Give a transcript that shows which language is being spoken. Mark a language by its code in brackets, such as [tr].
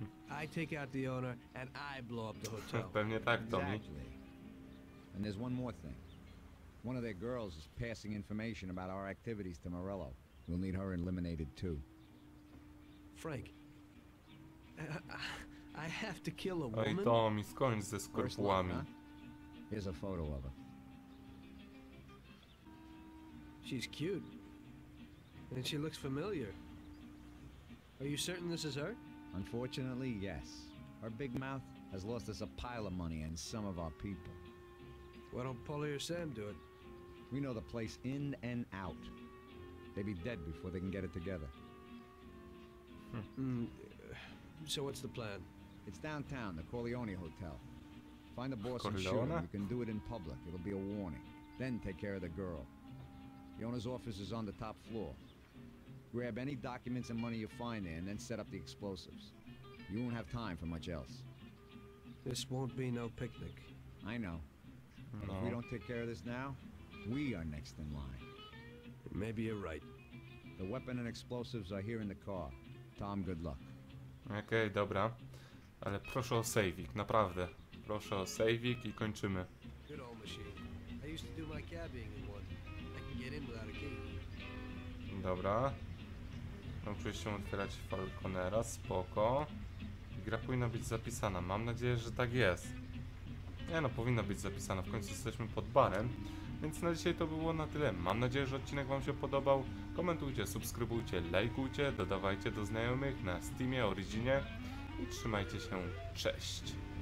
[en] I take out the owner and I blow up the hotel. [pl] Pewnie tak, Tommy. [en] Exactly. And there's one more thing. One of their girls is passing information about our activities to Morello. We'll need her eliminated too. Frank, I have to kill a woman. [pl] Oj, Tommy, skończ ze skrupułami. [en] Here's a photo of her. She's cute, and she looks familiar. Are you certain this is her? Unfortunately, yes. Her big mouth has lost us a pile of money and some of our people. Why don't Polly or Sam do it? We know the place in and out. They'd be dead before they can get it together. So what's the plan? It's downtown, the Corleone Hotel. Find the boss and shoot him. You can do it in public. It'll be a warning. Then take care of the girl. The owner's office is on the top floor. Grab any documents and money you find there and then set up the explosives. You won't have time for much else. This won't be no picnic. I know. But if we don't take care of this now, we are next in line. Maybe you're right. The weapon and explosives are here in the car. Tom, good luck. [pl] Okej, dobra. Ale proszę o saveik, naprawdę. Proszę o saveik i kończymy. [en] Good old machine. I used to do my cabbing in one. I can get in without a key. [pl] Dobra. Muszę się otwierać Falconera, spoko. Gra powinna być zapisana. Mam nadzieję, że tak jest. Nie no, powinna być zapisana. W końcu jesteśmy pod barem. Więc na dzisiaj to było na tyle. Mam nadzieję, że odcinek Wam się podobał. Komentujcie, subskrybujcie, lajkujcie, dodawajcie do znajomych na Steamie, Originie i trzymajcie się. Cześć!